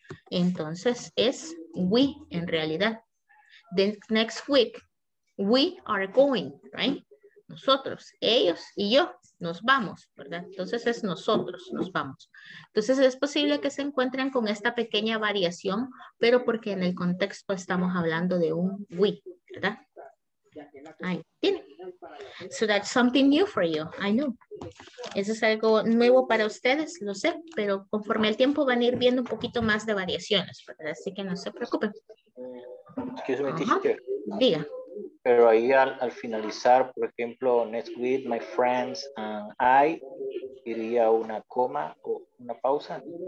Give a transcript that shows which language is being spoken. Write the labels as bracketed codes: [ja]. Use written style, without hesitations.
[es] Entonces es we en realidad. [en] The next week, we are going, right? [es] Nosotros, ellos y yo nos vamos, ¿verdad? Entonces es nosotros, nos vamos. Entonces es posible que se encuentren con esta pequeña variación, pero porque en el contexto estamos hablando de un we, ¿verdad? Ahí tiene. [en] So that's something new for you, I know. [es] Eso es algo nuevo para ustedes, lo sé, pero conforme el tiempo van a ir viendo un poquito más de variaciones, ¿verdad? Así que no se preocupen. [en] Excuse me, teacher. [es] Diga. Pero ahí al finalizar, por ejemplo, [en] next week, my friends and I, [es] ¿iría una coma o una pausa?